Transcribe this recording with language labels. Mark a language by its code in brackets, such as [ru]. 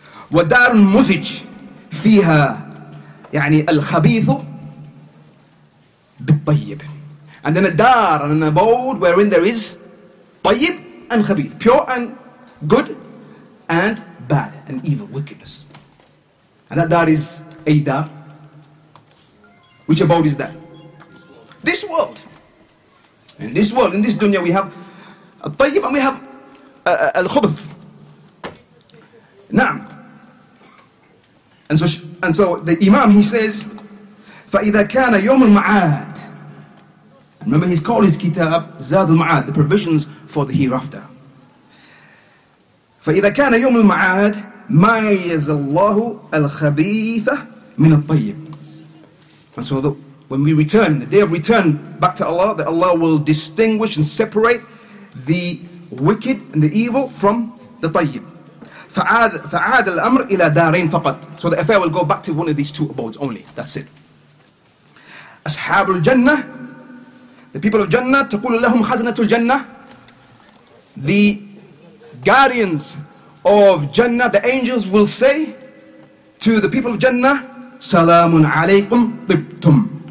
[ar] ودار مزج فيها يعني الخبيث بالطيب. [en] And then a دار and an abode wherein there is طيب and خبيث, pure and good and bad and evil, wickedness. And that دار is a دار. Which abode is that? This world. In this world, in this dunya, we have الطيب and we have الخبث. نعم. And so the Imam, he says, [ar] فَإِذَا كَانَ يَوْمُ الْمَعَادِ [en] Remember, he's called his kitab زاد المعاد, the provisions for the hereafter. [ar] فَإِذَا كَانَ يَوْمُ الْمَعَادِ مَيَّزَ اللَّهُ الْخَبِيثَ مِنَ الطَّيِّبِ [en] And so the, when we return, the day of return back to Allah, that Allah will distinguish and separate the wicked and the evil from the طيب. [ar] فعاد الأمر إلى دارين فقط. [en] So the affair will go back to one of these two abodes only. That's it. أصحاب الجنة, the people of Jannah, [ar] تقول لهم خزنة الجنة, [en] the guardians of Jannah, the angels will say to the people of Jannah, [ar] سلام عليكم طبتم.